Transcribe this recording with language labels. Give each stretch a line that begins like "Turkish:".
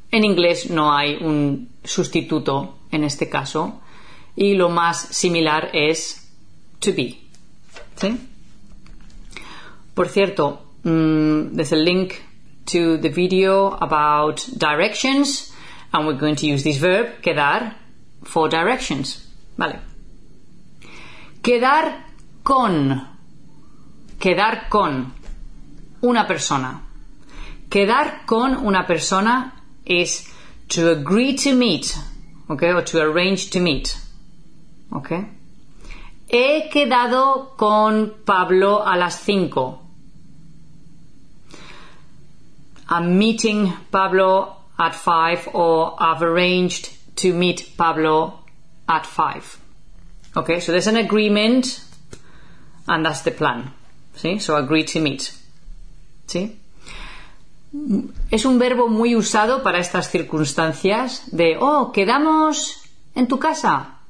Spanish: En inglés no hay un sustituto en este caso y lo más similar es to be. ¿Sí?
English: Por cierto, there's a link to the video about directions. And we're going to use this verb, quedar, for directions.
Spanish: Vale. Quedar con. Quedar con una persona. Quedar con una persona
English: is to agree to meet. Okay? Or to arrange to meet. Okay?
Spanish: He quedado con Pablo a las 5.
English: I'm meeting Pablo at 5, or I've arranged to meet Pablo at 5. Okay, so there's an agreement, and that's the plan. ¿Sí? So agree to meet. ¿Sí?
Spanish: Es un verbo muy usado para estas circunstancias de, oh, quedamos en tu casa.